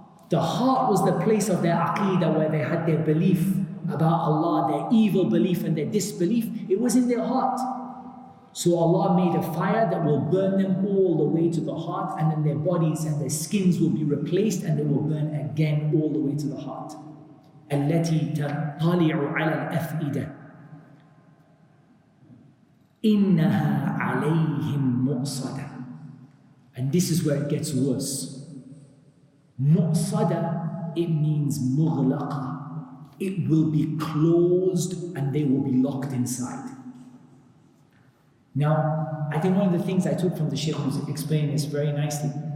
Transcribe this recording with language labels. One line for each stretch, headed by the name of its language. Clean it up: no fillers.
English: The heart was the place of their aqidah, where they had their belief about Allah, their evil belief and their disbelief. It was in their heart. So Allah made a fire that will burn them all the way to the heart, and then their bodies and their skins will be replaced, and they will burn again all the way to the heart.
Arabic: التي تطلع على الأفئدة إنها عليهم مؤصدة.
English: And this is where it gets worse. مؤصدة, it means مغلقة. It will be closed and they will be locked inside. Now, I think one of the things I took from the Sheikh was explaining this very nicely.